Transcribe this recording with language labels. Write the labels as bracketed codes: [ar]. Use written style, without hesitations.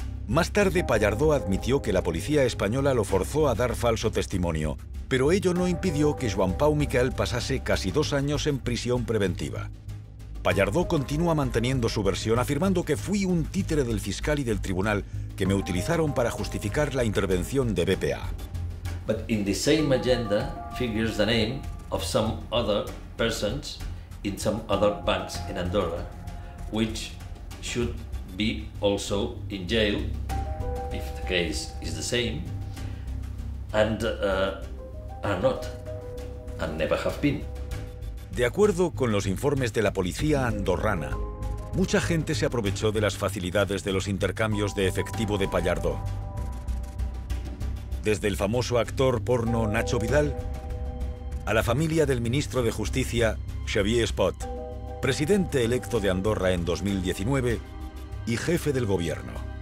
[es] Más tarde, Pallardó admitió que la policía española lo forzó a dar falso testimonio, pero ello no impidió que Joan Pau Miquel pasase casi 2 años en prisión preventiva. Pallardó continúa manteniendo su versión, afirmando que fui un títere del fiscal y del tribunal que me utilizaron para justificar la intervención de BPA. [en] But in the same agenda figures the name of some other persons in some other banks in Andorra, which should be also in jail if the case is the same, and are not, and never have been. [es] De acuerdo con los informes de la policía andorrana, mucha gente se aprovechó de las facilidades de los intercambios de efectivo de Pallardó. Desde el famoso actor porno Nacho Vidal a la familia del ministro de Justicia, Xavier Espot, presidente electo de Andorra en 2019 y jefe del gobierno.